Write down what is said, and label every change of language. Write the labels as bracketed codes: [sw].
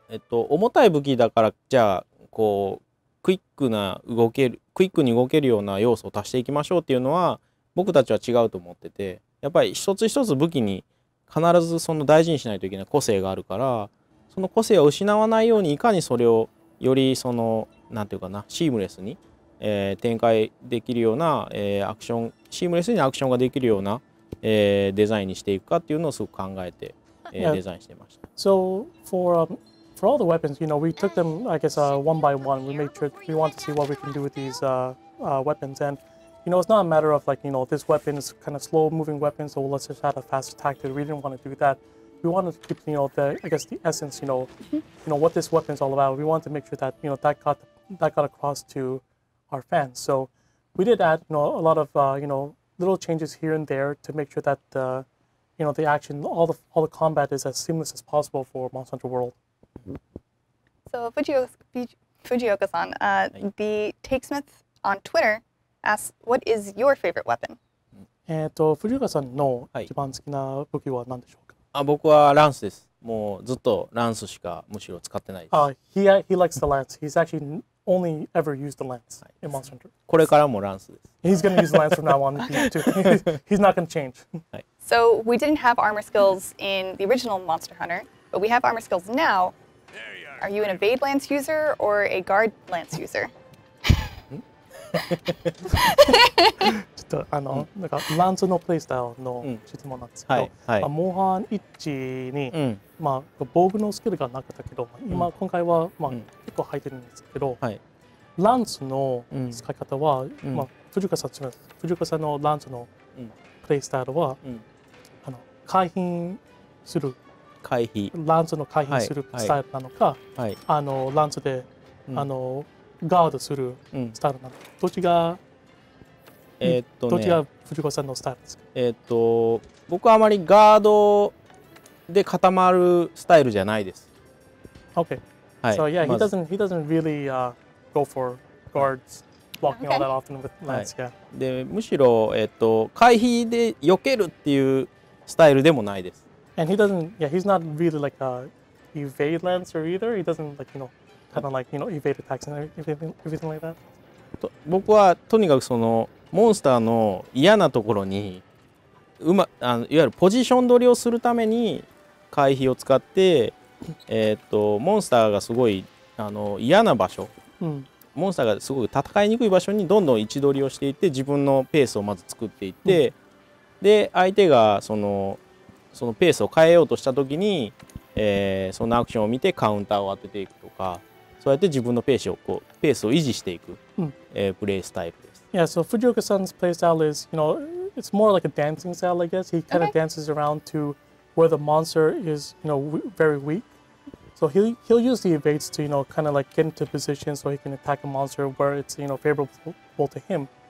[ja] 重たい武器だから、じゃあこうクイックに動けるような要素を足していきましょうっていうのは僕たちは違うと思ってて、やっぱり一つ一つ武器に必ずその大事にしないといけない個性があるから、その個性を失わないようにいかにそれをよりそのなんていうかな、シームレスに、展開できるような、アクションシームレスにアクションができるような、デザインにしていくかっていうのをすごく考えて、 [en] Yeah. [ja] デザインしてました。 [en] So for all the weapons, you know, we took them, I guess, one by one. We made sure we want to see what we can do with these weapons. And you know, it's not a matter of like, you know, this weapon is kind of slow moving weapon, so let's just add a fast attack to it. We didn't want to do that. We wanted to keep, you know, the, I guess, the essence, you know, mm-hmm. you know what this weapon is all about. We wanted to make sure that, you know, that got across to our fans. So we did add, you know, a lot of you know, little changes here and there to make sure that the you know, the action, all the combat is as seamless as possible for Monster Hunter World. So Fujioka-san, the Takesmith on Twitter asks, what is your favorite weapon? [ja] Fujioka-san の一番好きな武器は何でしょうか？あ、僕はランスです。もうずっとランスしかむしろ使ってないです。 [en] He likes the lance. He's actually only ever used the lance in Monster Hunter. [ja] これからもランスです。 [en] He's going to use the lance from now on. He's not going to change. So we didn't have armor skills in the original Monster Hunter, but we have armor skills now. Are you an evade lance user or a guard lance user? [ja] ちょっとあの、なんかランスのプレイスタイルの質問なんですけど、モンハン1に、まあ、防具のスキルがなかったけど、今回は、まあ、結構入ってるんですけど、はい、ランスの使い方は、まあ、藤岡さんのランスのプレイスタイルは、あの、回避する。回避。ランスの回避するスタイルなのか、はいはい、あの、ランスで、あの、ガードするスタイルなの、うん、どっちが、ね、どっちが藤子さんのスタイルですか？僕はあまりガードで固まるスタイルじゃないです。 [en] Okay. はい。So yeah, he doesn't really go for guards blocking all that often with lance. Yeah. [ja] で、むしろ回避で避けるっていうスタイルでもないです。 [en] And he's not really like a evade lancer either. He doesn't like, you know,Kind of like, you know, evade attacks and everything like that. [ja] 僕はとにかくそのモンスターの嫌なところにあのいわゆるポジション取りをするために回避を使って、モンスターがすごいあの嫌な場所、うん、モンスターがすごく戦いにくい場所にどんどん位置取りをしていって自分のペースをまず作っていって、うん、で相手がそのペースを変えようとした時に、そのアクションを見てカウンターを当てていくとか、そうやって自分のペースをこうペースを維持していく、うん、プレイスタイルです。 [en] Yeah, so Fujioka-san's playstyle is, you know, it's more like a dancing style, I guess. He kind of dances around to where the monster is, you know, very weak. So he'll use the evades to, you know, kind of like get into position so he can attack a monster where it's, you know, favorable to him.